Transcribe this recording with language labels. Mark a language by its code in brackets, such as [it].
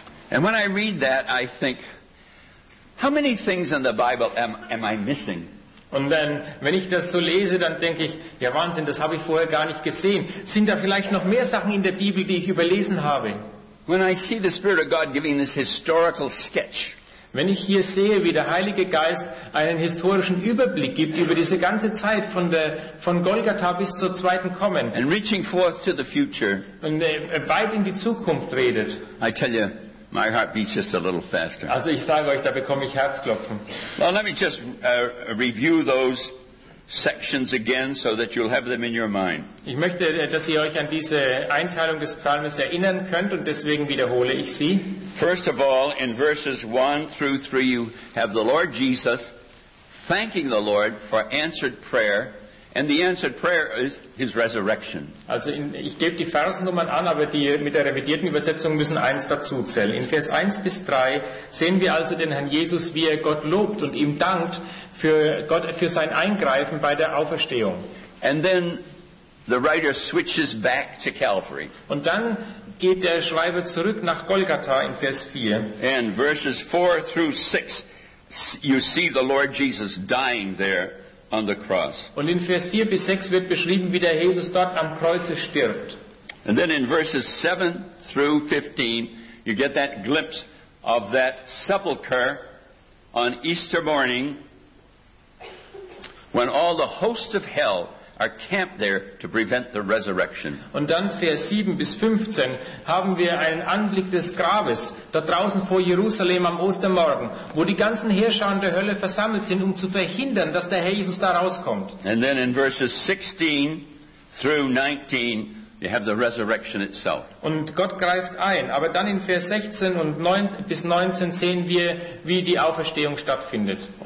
[en] And when I read that, I think, how many things in the Bible am I missing? [de] Und dann, wenn ich das so lese, dann denke ich, ja Wahnsinn, das habe ich vorher gar nicht gesehen. Sind da vielleicht noch mehr Sachen in der Bibel, die ich überlesen habe? [en] When I see the Spirit of God giving this historical sketch, [de] wenn ich hier sehe, wie der Heilige Geist einen historischen Überblick gibt über diese ganze Zeit von Golgatha bis zur zweiten Kommen [en] and reaching forth to the future, [de] und weit in die Zukunft redet, [en] I tell you, my heart beats just a little faster. [de] Also ich sage euch, da bekomme ich Herzklopfen. [en] Well, let me just review those sections again, so that you'll have them in your mind. [de] Ich möchte, dass ihr euch an diese Einteilung des Psalms erinnern könnt, und deswegen wiederhole ich sie. [en] First of all, in verses 1 through 3, you have the Lord Jesus thanking the Lord for answered prayer. And the answered prayer is his resurrection. [de] Also ich gebe die Versnummern an, aber die mit der revidierten Übersetzung müssen eins dazu zählen. In Vers 1 bis 3 sehen wir also den Herrn Jesus, wie er Gott lobt und ihm dankt für Gott für sein Eingreifen bei der Auferstehung. [en] And then the writer switches back to Calvary. [de] Und dann geht der Schreiber zurück nach Golgatha in Vers 4. [en] And verses 4 through 6 you see the Lord Jesus dying there. On the cross. [de] Und in Vers 4 bis 6 wird beschrieben, wie der Jesus dort am Kreuze stirbt. [en] And then in verses 7 through 15, you get that glimpse of that sepulchre on Easter morning, when all the hosts of hell are camped there to prevent the resurrection. [de] Und dann Vers 7 bis 15 haben wir einen Anblick des Grabes da draußen vor Jerusalem am Ostermorgen, wo die ganzen Heerscharen der Hölle versammelt sind, um zu verhindern, dass der Herr Jesus da rauskommt. [en] And then in verses 16 through 19 you have the resurrection itself. [de] Und Gott greift ein, aber dann in Vers 16 und 9 bis 19 sehen wir, wie die Auferstehung stattfindet.